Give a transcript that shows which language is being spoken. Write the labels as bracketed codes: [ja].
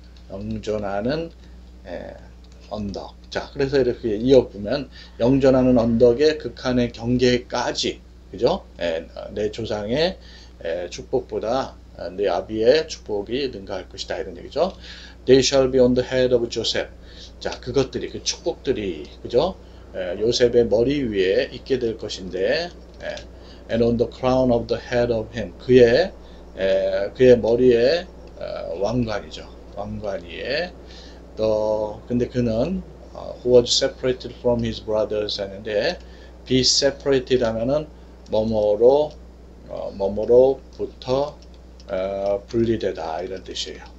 [ko] 영존하는 언덕. 자, 그래서 이렇게 이어보면 영존하는 언덕의 극한의 경계까지, 그죠? 내 조상의 축복보다 내 아비의 축복이 능가할 것이다, 이런 얘기죠. [en] They shall be on the head of Joseph. [ko] 자, 그것들이, 그 축복들이, 그죠? 요셉의 머리 위에 있게 될 것인데, and on the crown of the head of him, 그의 머리에 왕관이죠. 왕관 위에. 또 근데 그는 who was separated from his brothers 하는데, be separated 하면은 뭐뭐로부터 분리되다 이런 뜻이에요.